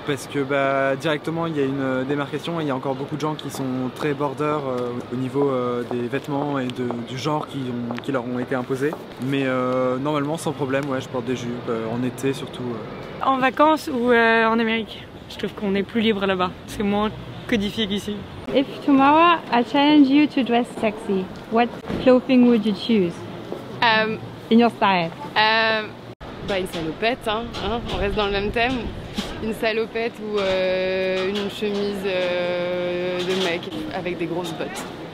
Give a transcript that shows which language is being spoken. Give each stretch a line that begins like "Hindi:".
French: Parce que bah, directement, il y a une démarcation et il y a encore beaucoup de gens qui sont très border au niveau des vêtements et du genre qui leur ont été imposés. Mais normalement, sans problème, ouais, je porte des jupes, en été surtout. En vacances ou en Amérique? Je trouve qu'on est plus libre là-bas. C'est moins codifié qu'ici.
English: If tomorrow I challenge you to dress sexy, what clothing would you choose in your style?
French: Bah une salopette, hein, on reste dans le même thème. Une salopette ou une chemise de mec avec des grosses bottes.